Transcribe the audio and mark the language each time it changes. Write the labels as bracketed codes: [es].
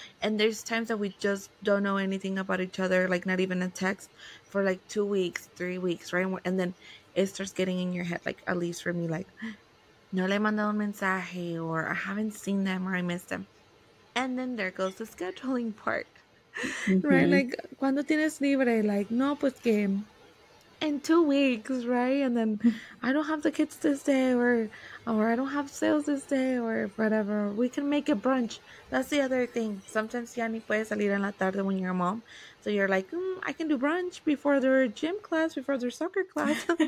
[en] And there's times that we just don't know anything about each other, like, not even a text for, like, 2 weeks, 3 weeks, right? And then it starts getting in your head, like, at least for me, like, [es] no le he mandado un mensaje, [en] or I haven't seen them, or I missed them. And then there goes the scheduling part, right? Like, [es] cuando tienes libre, [en] like, [es] no, pues que [en] in 2 weeks, right? And then I don't have the kids this day, or I don't have sales this day, or whatever. We can make a brunch. That's the other thing. Sometimes [es] ya ni puedes salir en la tarde [en] when you're a mom. So you're like, I can do brunch before their gym class, before their soccer class.